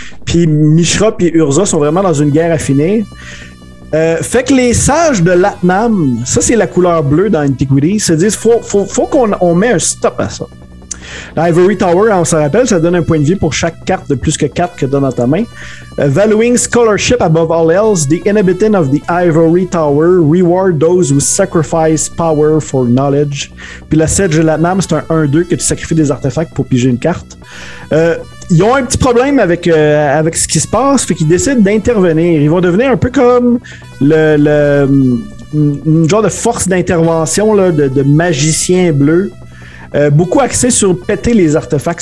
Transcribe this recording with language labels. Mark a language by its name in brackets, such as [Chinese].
[French] Puis Mishra et Urza sont vraiment dans une guerre à finir. Fait que les sages de l'Atnam, ça c'est la couleur bleue dans Antiquity, se disent faut qu'on met un stop à ça. L'Ivory Tower, on s'en rappelle, ça donne un point de vie pour chaque carte de plus que 4 que tu donnes dans ta main. [English] Valuing scholarship above all else, the inhabitant of the Ivory Tower reward those who sacrifice power for knowledge. [French] Puis la sage de l'Atnam, c'est un 1-2 que tu sacrifies des artefacts pour piger une carte. Ils ont un petit problème avec ce qui se passe, fait qu'ils décident d'intervenir. Ils vont devenir un peu comme une genre de force d'intervention là, de magicien bleu, beaucoup axé sur péter les artefacts.